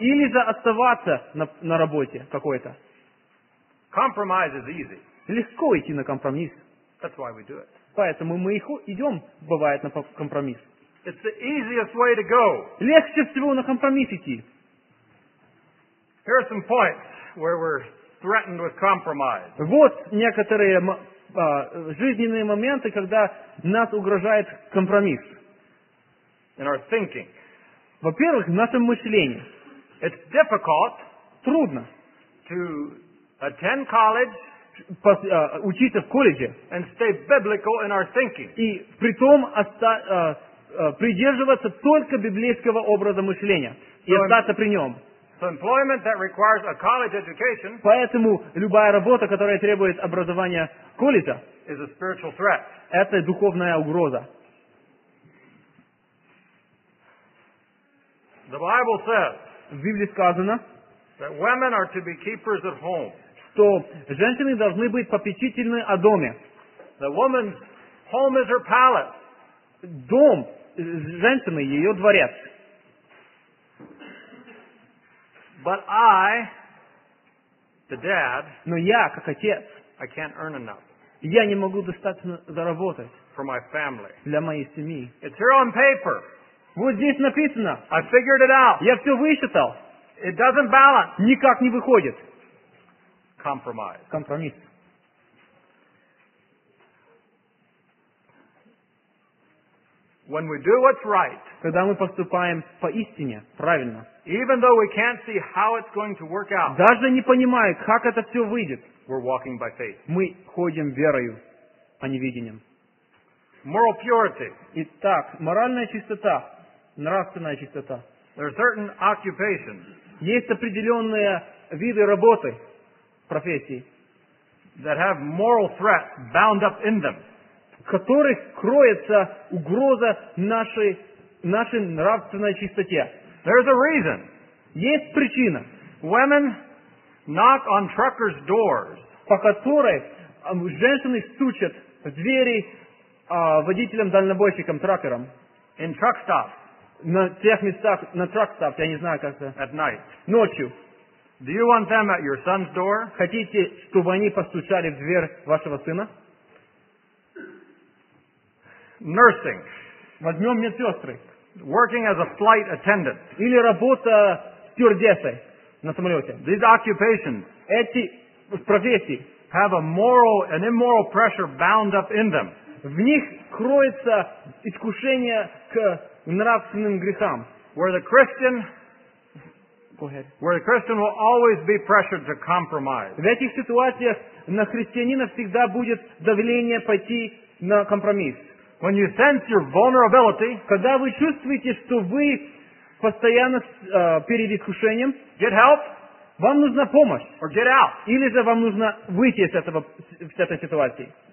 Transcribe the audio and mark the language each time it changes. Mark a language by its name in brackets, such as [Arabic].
[Russian] Или же оставаться на работе какой-то. [English] Compromise is easy. [Russian] Легко идти на компромисс. [English] That's why we do it. [Russian] Поэтому мы идем, бывает, на компромисс. [English] It's the easiest way to go. [Russian] Легче всего на компромисс идти. [English] Here are some points where we're threatened with compromise. [Russian] Вот некоторые жизненные моменты, когда нас угрожает компромисс. [English] In our thinking. [Russian] Во-первых, в нашем мышлении. [English] It's difficult. [Russian] Трудно. [English] To attend college. [Russian] Учиться в колледже. [English] And stay biblical in our thinking. [Russian] И при том придерживаться только библейского образа мышления. И остаться при нем. [English] So employment that requires a college education. [Russian] Поэтому любая работа, которая требует образования колледжа. [English] Is a spiritual threat. [Russian] Это духовная угроза. [English] The Bible says, [Russian] в Библии сказано, [English] that women are to be keepers at home. [Russian] Что женщины должны быть попечительны о доме. [English] The woman's home is her palace. [Russian] Дом женщины ее дворец. [English] But I, the dad, [Russian] но я, как отец, [English] I can't earn enough. [Russian] Я не могу достаточно заработать [English] for my family. [Russian] Для моей семьи. [English] It's here on paper. [Russian] Вот здесь написано. [English] I figured it out. [Russian] Я все высчитал. [English] It doesn't balance. [Russian] Никак не выходит. [English] Compromise. [Russian] Компромисс. [English] When we do what's right, [Russian] когда мы поступаем поистине, правильно, [English] even though we can't see how it's going to work out, [Russian] даже не понимая, как это все выйдет, [English] we're walking by faith. [Russian] Мы ходим верою, а не видением. [English] Moral purity. [Russian] Итак, моральная чистота, нравственная чистота. [English] There are certain occupations. [Russian] Есть определенные виды работы, профессии, [English] that have moral threat bound up in them. [Russian] В которых кроется угроза нашей нравственной чистоте. [English] There's a reason. [Russian] Есть причина. [English] Women knock on truckers' doors. [Russian] По которой женщины стучат в двери водителям-дальнобойщикам, тракерам. [English] In truck stops. [Russian] На тех местах, на truck stop, я не знаю как это. [English] At night. [Russian] Ночью. [English] Do you want them at your son's door? [Russian] Хотите, чтобы они постучали в дверь вашего сына? [English] Nursing. [Russian] Возьмем медсестры. [English] Working as a flight attendant. [Russian] Или работа стюардессой на самолете. [English] These occupations. [Russian] Эти профессии. [English] Have a moral and immoral pressure bound up in them. [Russian] В них кроется искушение к нравственным грехам. [English] Where the Christian. Go ahead. Where the Christian will always be pressured to compromise. [Russian] В этих ситуациях на христианина всегда будет давление пойти на компромисс. [English] When you sense your vulnerability, [Russian] когда вы чувствуете, что вы постоянно перед искушением, [English] get help, [Russian] вам нужна помощь, [English] or get out, [Russian] или же вам нужно выйти из этого из этой ситуации.